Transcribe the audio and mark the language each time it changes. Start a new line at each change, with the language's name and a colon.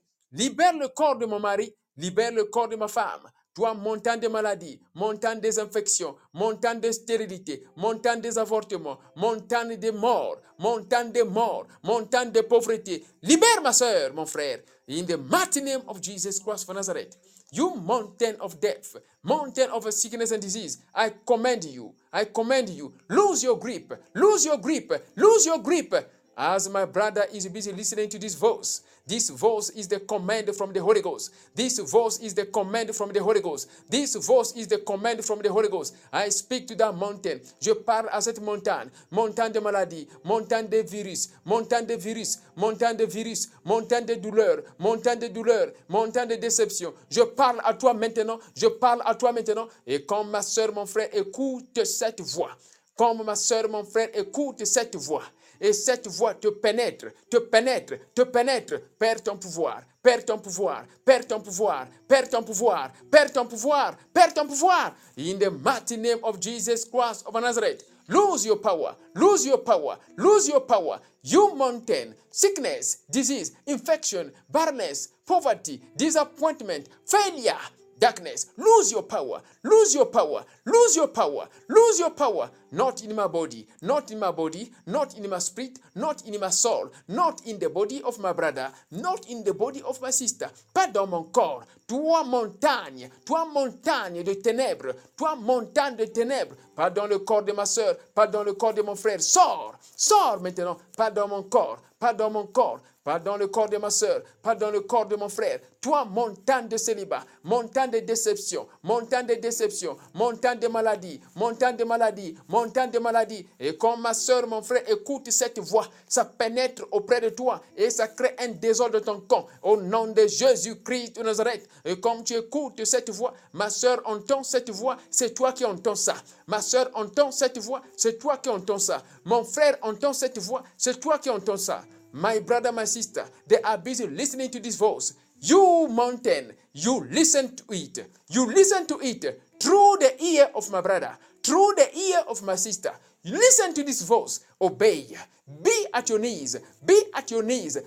French: Libère le corps de mon mari, libère le corps de ma femme. Toi, montagne de maladies, montagne des infections, montagne de stérilité, montagne des avortements, montagne de morts, montagne de morts, montagne de pauvreté. Libère ma sœur, mon frère,
English: in the mighty name of Jesus Christ of Nazareth. You mountain of death, mountain of sickness and disease, I command you, I command you, lose your grip, lose your grip, lose your grip. As my brother is busy listening to this voice is the command from the Holy Ghost. This voice is the command from the Holy Ghost. This voice is the command from the Holy Ghost. I speak to that mountain.
French: Je parle à cette montagne. Montagne de maladies, montagne de virus, montagne de virus, montagne de virus, montagne de douleurs, montagne de douleurs, montagne de déception. Je parle à toi maintenant. Je parle à toi maintenant. Et comme ma sœur, mon frère, écoute cette voix. Comme ma sœur, mon frère, écoute cette voix. Et cette voix te pénètre, te pénètre, te pénètre. Perds ton pouvoir, perds ton pouvoir, perds ton pouvoir, perds ton pouvoir, perds ton pouvoir, perds ton pouvoir.
English: In the mighty name of Jesus Christ of Nazareth, lose your power, lose your power, lose your power. You mountain, sickness, disease, infection, barrenness, poverty, disappointment, failure. darkness, lose your power, lose your power, lose your power, lose your power, not in my body, not in my body, not in my spirit, not in my soul, not in the body of my brother, not in the body of my sister.
French: Pardon mon corps, toi montagne de ténèbres, toi montagne de ténèbres, pardon le corps de ma soeur, pardon le corps de mon frère, sors, sors maintenant, pardon mon corps, pardon mon corps. Pardon le corps de ma sœur, pardon le corps de mon frère. Toi, montagne de célibat, montagne de déception, montagne de déception, montagne de maladie, montagne de maladie, montagne de maladie. Et quand ma sœur, mon frère, écoute cette voix, ça pénètre auprès de toi et ça crée un désordre dans ton camp. Au nom de Jésus-Christ de Nazareth. Et comme tu écoutes cette voix, ma sœur entend cette voix, c'est toi qui entends ça. Ma sœur entend cette voix, c'est toi qui entends ça. Mon frère entend cette voix, c'est toi qui entends ça.
English: My brother, my sister, they are busy listening to this voice. You mountain, you listen to it. You listen to it through the ear of my brother, through the ear of my sister. You listen to this voice. Obey. Be at your knees. Be at your knees.